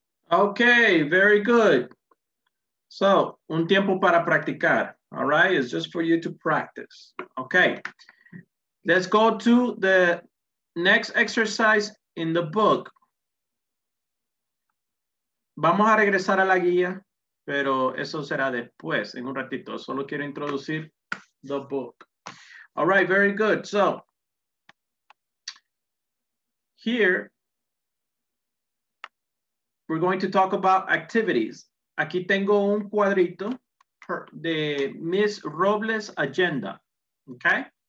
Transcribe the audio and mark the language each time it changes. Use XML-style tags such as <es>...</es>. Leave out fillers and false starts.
<en>Okay, very good. So,</en> <es>un tiempo para practicar.</es> <en>All right, it's just for you to practice. Okay, let's go to the next exercise in the book.</en> <es>Vamos a regresar a la guía, pero eso será después, en un ratito. Solo quiero introducir</es> <en>the book. All right, very good. So, here, we're going to talk about activities.</en> <es>Aquí tengo un cuadrito de Miss Robles' agenda, okay?</es>